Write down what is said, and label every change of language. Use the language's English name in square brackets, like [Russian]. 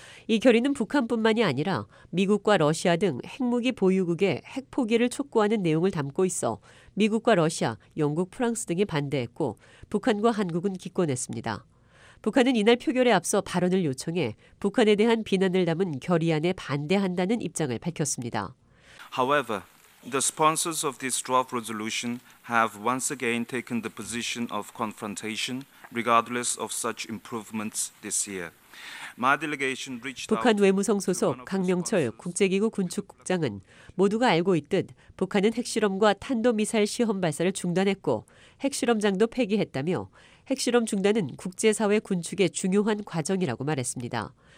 [Korean] 이 결의는 북한뿐만이 아니라 미국과 러시아 등 핵무기 보유국의 핵포기를 촉구하는 내용을 담고 있어 미국과 러시아, 영국, 프랑스 등이 반대했고 북한과 한국은 기권했습니다. 북한은 이날 표결에 앞서 발언을 요청해 북한에 대한 비난을 담은 결의안에 반대한다는 입장을 밝혔습니다. [English] However, the sponsors of this draft resolution have once again taken the position of confrontation regardless of such improvements this year. My delegation reached out [Korean] 북한 외무성 소속 강명철 국제기구 군축국장은 모두가 알고 있듯 북한은 핵실험과 탄도미사일 시험 발사를 중단했고 핵실험장도 폐기했다며 핵실험 중단은 국제사회 군축의 중요한 과정이라고 말했습니다.